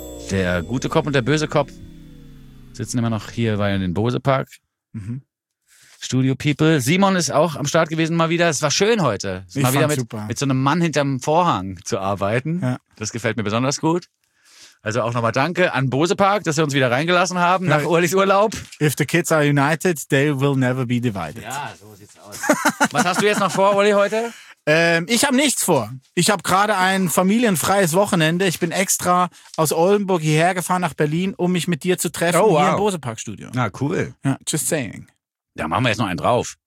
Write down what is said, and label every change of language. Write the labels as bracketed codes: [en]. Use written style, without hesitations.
[de] Der gute Kopf und der böse Kopf sitzen immer noch hier bei in den Bose-Park. Studio People. Simon ist auch am Start gewesen mal wieder. Es war schön heute. Ich mal wieder super. Mit so einem Mann hinterm Vorhang zu arbeiten. Ja. Das gefällt mir besonders gut. Also auch nochmal danke an Bosepark, dass wir uns wieder reingelassen haben nach Urlis Urlaub. [en] If the kids are united, they will never be divided. [de] Ja, so sieht's aus. Was hast du jetzt noch vor, Uli, heute? Ich habe nichts vor. Ich habe gerade ein familienfreies Wochenende. Ich bin extra aus Oldenburg hierher gefahren nach Berlin, um mich mit dir zu treffen hier im Bosepark-Studio. Na, cool. Ja, [en] just saying. [de] Da machen wir jetzt noch einen drauf.